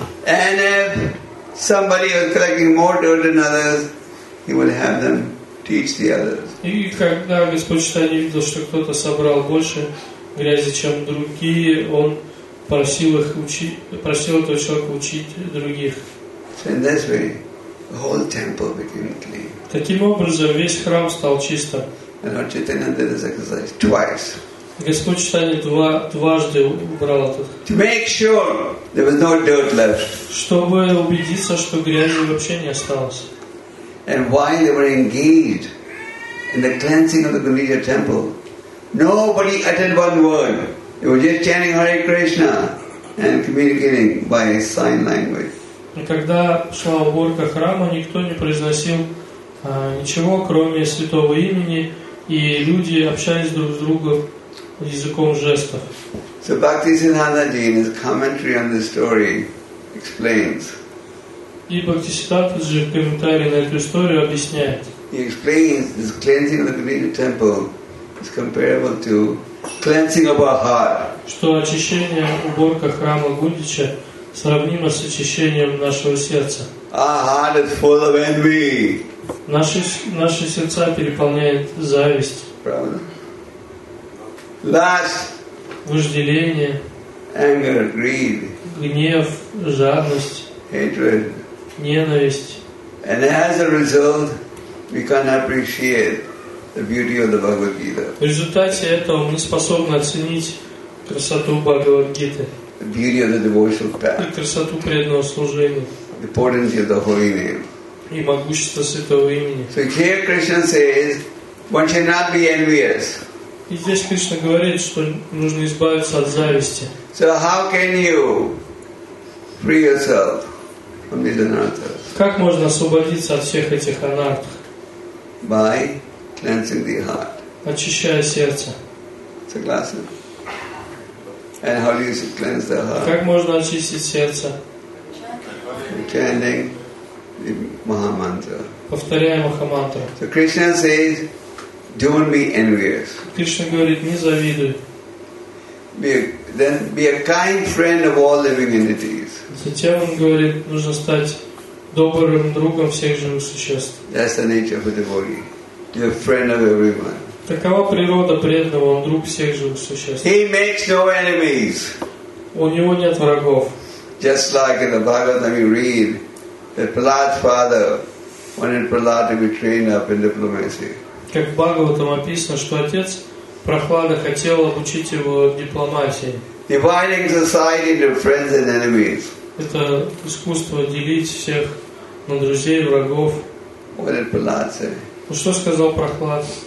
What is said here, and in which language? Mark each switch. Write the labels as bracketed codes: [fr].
[en] And if somebody was collecting more dirt than others, he would have them teach the others. [ru] И когда Господь Чайтанья видел, что кто-то собрал больше грязи, чем другие, он просил их учить, просил этого человека учить других. [en] And this way, the whole temple became clean. [ru] Таким образом, весь храм стал чистым. [en] And Lord Chaitanya did this exercise twice. [ru] Господь Чайтанья дважды убрал этот храм. [en] To make sure there was no dirt left. [ru] Чтобы убедиться, что грязи вообще не осталось. [en] And while they were engaged in the cleansing of the Gundicha temple, nobody uttered one word. They were just chanting Hare Krishna and communicating by sign language. [ru] И когда шла уборка храма, никто не произносил ничего, кроме святого имени, и люди общались друг с другом языком жестов. [en] So Bhaktisiddhanta Ji, in his commentary on this story, explains. [ru] И Бхактисиддханта Джи в комментарии на эту историю объясняет. [en] He explains this cleansing of the Gundicha temple. It's comparable to cleansing of our heart. [ru] Что очищение, уборка храма Гундича сравнимо с очищением нашего сердца. [en] Our heart is full of envy. [ru] Наши сердца переполняет зависть. Правда? [en] Lust. [ru] Вожделение. [en] Anger, greed. [ru] Гнев, жадность. [en] Hatred. [ru] Ненависть. [en] And as a result, we can't appreciate the beauty of the Bhagavad Gita. [ru] В результате этого мы не способны оценить красоту Бхагавад Гиты. [en] The beauty of the devotional path. [ru] И красоту преданного служения. [en] The potency of the holy name. [ru] И могущество святого имени. [en] So here Krishna says, one should not be envious. [ru] И здесь Кришна говорит, что нужно избавиться от зависти. [en] So how can you free yourself from these anarthas? [ru] Как можно освободиться от всех этих анартх? [en] By cleansing the heart. [ru] Очищая сердце. Согласен? [en] And how do you cleanse the heart? [ru] Как можно очистить сердце? [en] Chanting the Mahamantra. [ru] Повторяя Махамантру. [en] So Krishna says, don't be envious. [ru] Кришна говорит, не завидуй. [en] Be a kind friend of all living entities. [ru] Затем он говорит, нужно стать добрым другом всех живых существ. [en] That's the nature of a devotee. Be a friend of everyone. [ru] Такова природа преданного, он друг всех живых существ. [en] He makes no enemies. [ru] У него нет врагов. [en] Just like in the Bhagavatam you read, that Prahlad's father wanted Prahlad to be trained up in diplomacy. [ru] Как в Бхагаватам описано, что отец Прохлада хотел обучить его дипломатии. [en] Dividing society into friends and enemies. [ru] Это искусство делить всех на друзей и врагов. [en] What did Prahlad say? [ru] Ну что сказал Прохлад?